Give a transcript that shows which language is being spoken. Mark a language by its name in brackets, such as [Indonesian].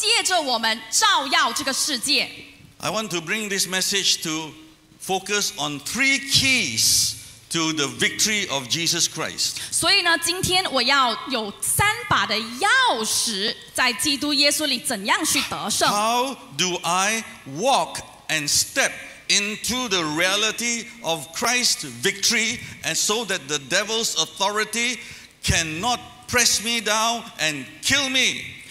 [Chinese] 所以我们是在上掌权的，而不是在下面一直被管辖、被辖制。而且耶稣基督的光要靠着借着我们照耀这个世界。 [English] I want to bring this message to focus on three keys to the victory of Jesus Christ. [Chinese] 所以呢，今天我要有三把的钥匙，在基督耶稣里怎样去得胜？ [English] How do I walk and step into the reality of Christ's victory, and so that the devil's authority cannot press me down and kill me?